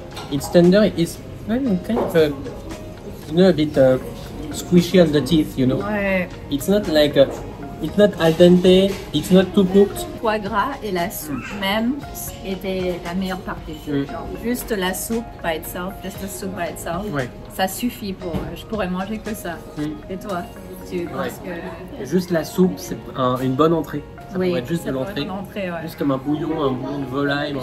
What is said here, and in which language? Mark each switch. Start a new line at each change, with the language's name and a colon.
English: It's tender, it's kind of a bit squishy on the teeth, you know?
French: Ouais.
English: It's not like, it's not al dente, it's not too cooked.
French: Le foie gras et la soupe même étaient la meilleure partie. Juste la soupe
English: by itself, just the soup by itself.
French: Ouais. Ça suffit pour, je pourrais manger que ça. Et toi, tu penses que... Juste la soupe, c'est une bonne entrée. Ça pourrait être une entrée. Juste comme un bouillon, un bouillon de volaille.